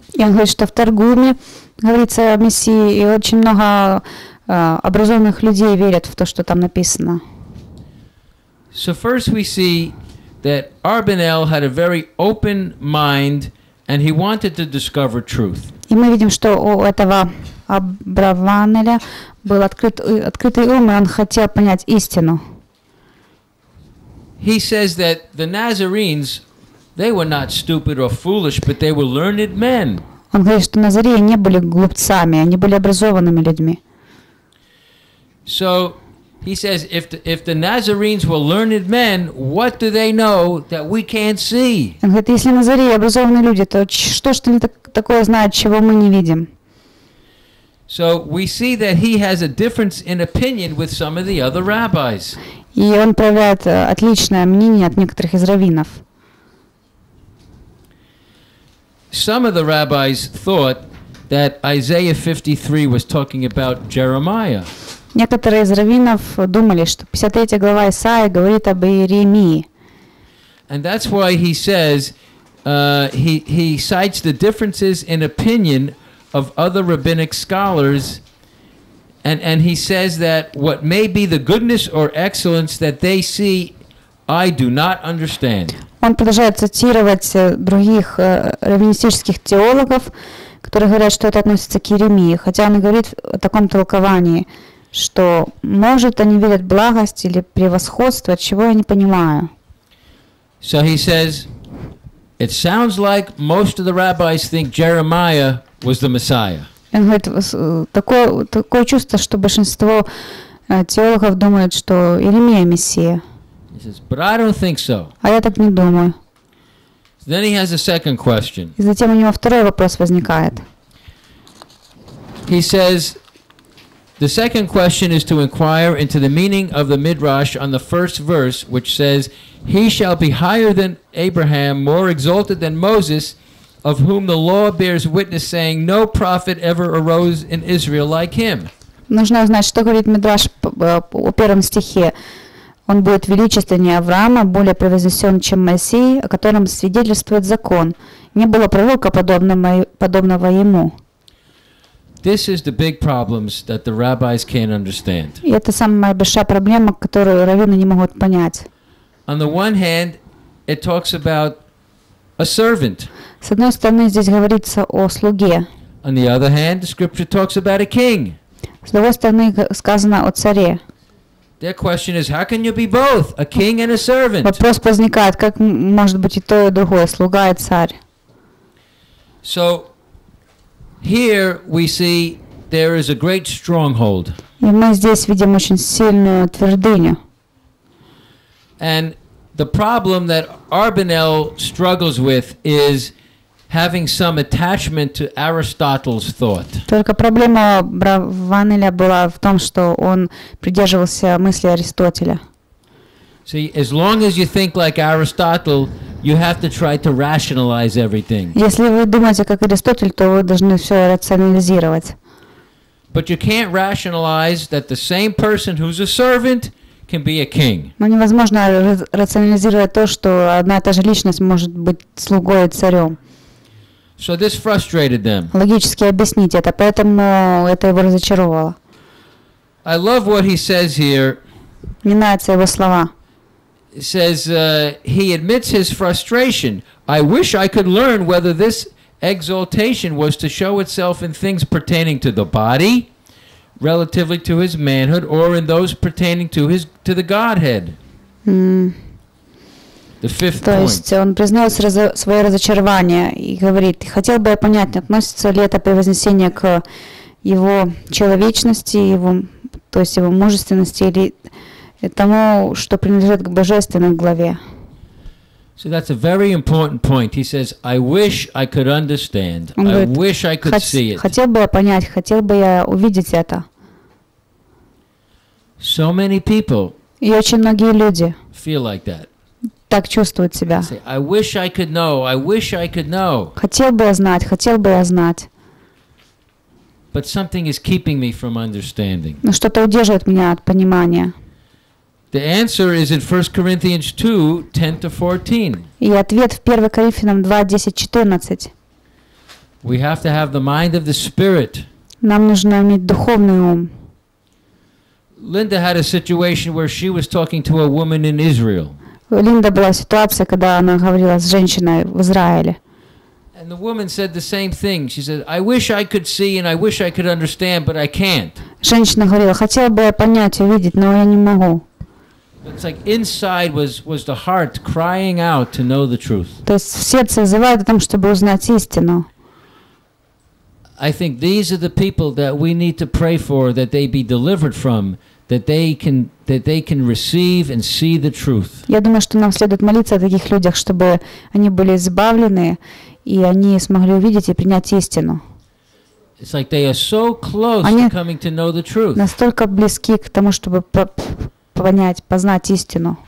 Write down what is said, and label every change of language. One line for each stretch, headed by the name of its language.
Russian: И он говорит, что в Таргуме говорится о Мессии, и очень много образованных людей верят в то, что там написано.
English: So first we see that Arbanel had a very open mind, and he wanted to discover truth.
Russian: И мы видим, что у этого Абраванеля был открытый ум, и он хотел понять истину.
English: He says that the Nazarenes, they were not stupid or foolish, but they were learned men.
Russian: Он говорит, что Назареи не были глупцами, они были образованными людьми.
English: So he says, if the Nazarenes were learned men, what do they know that we can't see?
Russian: Он говорит, если Назареи образованные люди, то что ж они такое знают, чего мы не видим?
English: So we see that he has a difference in opinion with some of the other rabbis.
Russian: И он проявляет отличное мнение от некоторых из раввинов.
English: Some of the rabbis thought that Isaiah 53 was talking about Jeremiah.
Russian: Некоторые из раввинов думали, что 53 глава Исаии говорит об Иеремии.
English: And that's why he says he cites the differences in opinion of other rabbinic scholars, and he says that what may be the goodness or excellence that they see, I do not understand.
Russian: Он продолжает цитировать других раввинистических теологов, которые говорят, что это относится к Иеремии, хотя он и говорит о таком толковании, что может они видят благость или превосходство, чего я не понимаю.
English: So he says, it sounds like most of the rabbis think Jeremiah was the Messiah.
Russian: Он говорит, такое чувство, что большинство теологов думают, что Иеремия Мессия.
English: He says, but I don't think so.
Russian: А я так не думаю.
English: Then he has a second question.
Russian: И затем у него второй вопрос возникает.
English: He says, the second question is to inquire into the meaning of the midrash on the first verse, which says, "He shall be higher than Abraham, more exalted than Moses, of whom the law bears witness, saying, 'No prophet ever arose in Israel like him.'"
Russian: Нужно узнать, что говорит мидраш о первом стихе. Он будет величественнее Авраама, более превознесен, чем Моисей, о котором свидетельствует закон. Не было пророка подобного ему.
English: This is the big problems that the rabbis can't understand.
Russian: И это самая большая проблема, которую раввины не могут понять.
English: On the one hand, it talks about a servant.
Russian: С одной стороны, здесь говорится о слуге.
English: On the other hand, the scripture talks about a king.
Russian: С другой стороны, сказано о царе.
English: Their question is, how can you be both a king and a servant?
Russian: Вопрос возникает, как может быть и то, и другое, слуга и царь?
English: So here we see there is a great stronghold.
Russian: И мы здесь видим очень сильную твердыню.
English: And the problem that Arbanel struggles with is having some attachment to Aristotle's thought.
Russian: Только проблема Браванеля была в том, что он придерживался мысли Аристотеля.
English: See, as long as you think like Aristotle, you have to try to rationalize everything.
Russian: Если вы думаете как Аристотель, то вы должны все рационализировать.
English: But you can't rationalize that the same person who's a servant can be a king.
Russian: Но невозможно рационализировать то, что одна и та же личность может быть слугой и царем.
English: So this frustrated them.
Russian: Логически объяснить это, поэтому это его разочаровало.
English: I love what he says here.
Russian: Мне нравятся его слова.
English: He says he admits his frustration. I wish I could learn whether this exaltation was to show itself in things pertaining to the body, relatively to his manhood, or in those pertaining to the Godhead. The fifth
Russian: То есть
English: point.
Russian: Он признает свое разочарование и говорит, хотел бы я понять, относится ли это превознесение к его человечности, его, то есть его мужественности или тому, что принадлежит к божественной главе.
English: So that's a very important point. He says, I wish I could understand.
Russian: Говорит,
English: I wish I could see it.
Russian: Хотел бы я понять, хотел бы я увидеть это.
English: So many people
Russian: и очень многие люди
English: feel like that.
Russian: Так чувствуют себя.
English: Say, I wish I could know. I wish I could know.
Russian: Хотел бы я знать, хотел бы я знать.
English: But something is keeping me from understanding.
Russian: Но что-то удерживает меня от понимания.
English: The answer is in 1 Corinthians 2, 10-14.
Russian: И ответ в 1 Коринфянам 2, 10-14.
English: We have to have the mind of the Spirit.
Russian: Нам нужно иметь духовный ум.
English: Linda had a situation where she was talking to a woman in Israel.
Russian: У Линды была ситуация, когда она говорила с женщиной в Израиле.
English: And the woman said the same thing. She said, "I wish I could see and I wish I could understand, but I can't."
Russian: Женщина говорила: "Хотела бы я понять и видеть, но я не могу."
English: It's like inside was the heart crying out to know the truth.
Russian: То есть сердце взывает о том, чтобы узнать истину.
English: I think these are the people that we need to pray for, that they be delivered from, that they can receive and see the truth.
Russian: Я думаю, что нам следует молиться о таких людях, чтобы они были избавлены и они смогли увидеть и принять истину.
English: It's like they are so close
Russian: они
English: to coming to know the truth.
Russian: Настолько близки к тому, чтобы понять, познать истину.